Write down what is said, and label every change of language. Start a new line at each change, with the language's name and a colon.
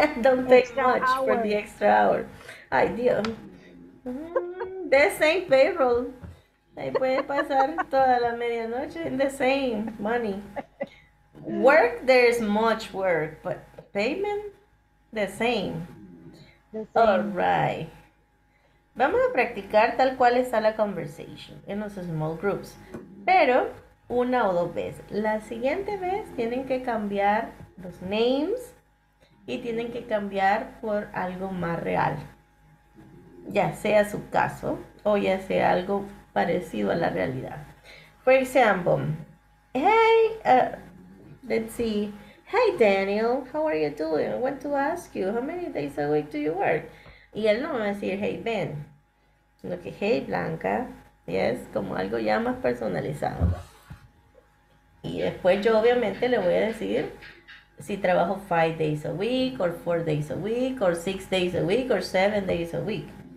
English: Don't pay much hour. For the extra hour. Idea. The same payroll.
Spanish: Ahí puede pasar toda la medianoche
English: in the same money. Work, there is much work, but payment, the same. All right.
Spanish: Vamos a practicar tal cual está la conversation en los small groups, pero una o dos veces. La siguiente vez tienen que cambiar los names y tienen que cambiar por algo más real. Ya sea su caso o ya sea algo parecido a la realidad.
English: For example, hey, let's see. Hey, Daniel, how are you doing? I want to ask you, how many days a week do you work?
Spanish: Y él no me va a decir, hey, Ben. Sino que, hey, Blanca. Yes, como algo ya más personalizado. Y después yo obviamente le voy a decir si trabajo
English: 5 days a week, or 4 days a week, or 6 days a week, or 7 days a week.